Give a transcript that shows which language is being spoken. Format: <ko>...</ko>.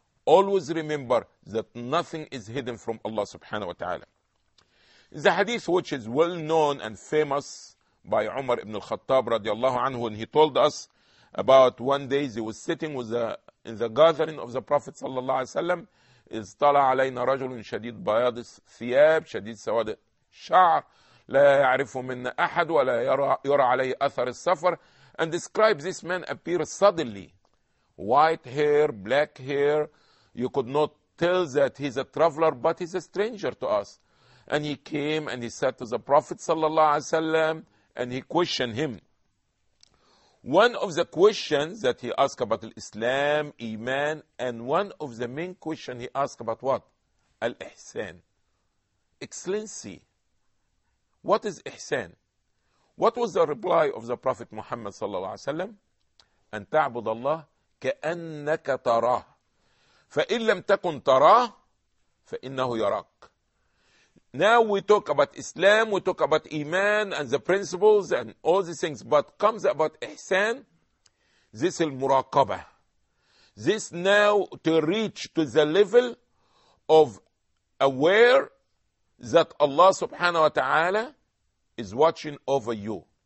<en>Always remember that nothing is hidden from Allah subhanahu wa ta'ala. The hadith which is well known and famous by Umar ibn al-Khattab radiallahu anhu, and he told us about one day he was sitting with in the gathering of the Prophet sallallahu alayhi wa sallam. Is</en> <ar>طلع علينا رجل شديد بياض الثياب شديد سواد الشعر لا يعرفه منا أحد ولا يرى عليه أثر السفر.</ar> <en>And describe this man appear suddenly, white hair, black hair. You could not tell that he's a traveler, but he's a stranger to us. And he came and he said to the Prophet sallallahu alaihi wasallam, and he questioned him. One of the questions that he asked about Islam, Iman, and one of the main questions he asked about what? Al-Ihsan. Excellency, what is Ihsan? What was the reply of the Prophet Muhammad sallallahu alayhi wa sallam?</en> <ar>أن تعبد الله كأنك تراه فإن لم تكن تراه فإنه يراك.</ar> <en>Now we talk about Islam, we talk about Iman and the principles and all these things, but comes about Ihsan, this al-muraqabah. This now to reach to the level of aware that Allah subhanahu wa ta'ala is watching over you.</en>